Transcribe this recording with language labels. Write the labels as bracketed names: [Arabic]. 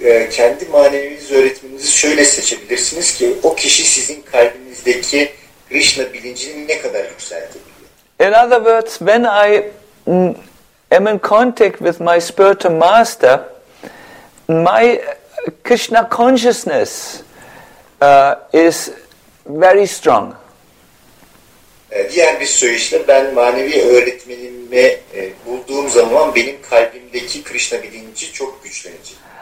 [Turkish] Kendi manevi öğretmeninizi şöyle seçebilirsiniz ki o kişi sizin kalbinizdeki Krishna bilincini ne kadar yükseltebiliyor. [English] In other words, when I am in contact with my spiritual master, my Krishna consciousness is very strong. [Turkish] Diğer bir söyleşle ben manevi öğretmenimi bulduğum zaman benim kalbimdeki Krishna bilinci çok güçlenecek.